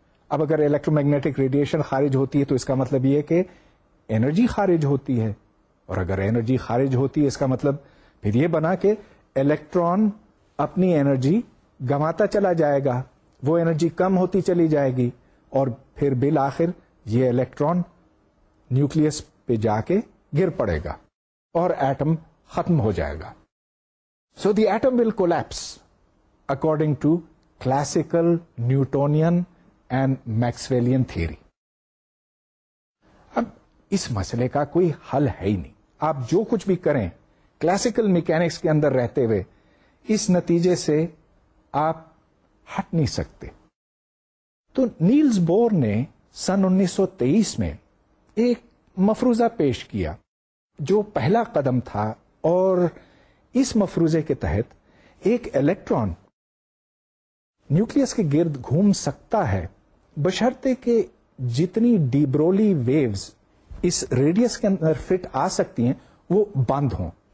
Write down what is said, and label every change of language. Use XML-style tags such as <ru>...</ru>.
<ur>اب اگر electro magnetic radiation خارج ہوتی ہے تو اس کا مطلب یہ کہ انرجی خارج ہوتی ہے, اور اگر انرجی خارج ہوتی ہے اس کا مطلب پھر یہ بنا کہ الیکٹران اپنی انرجی گنواتا چلا جائے گا, وہ انرجی کم ہوتی چلی جائے گی, اور پھر بالآخر یہ الیکٹران نیوکلیس پہ جا کے گر پڑے گا اور ایٹم ختم ہو جائے گا.</ur> <en>So the atom will collapse according to classical Newtonian and Maxwellian theory.</en> <ur>اب اس مسئلے کا کوئی حل ہے ہی نہیں. آپ جو کچھ بھی کریں کلاسیکل میکینکس کے اندر رہتے ہوئے اس نتیجے سے آپ ہٹ نہیں سکتے. تو نیلز بور نے سن 1923 میں ایک مفروضہ پیش کیا جو پہلا قدم تھا, اور اس مفروضے کے تحت ایک الیکٹران نیوکلیس کے گرد گھوم سکتا ہے, بشرطے کہ جتنی ڈی برولی ویوز اس ریڈیس کے اندر فٹ آ سکتی ہیں وہ بند ہوں.</ur>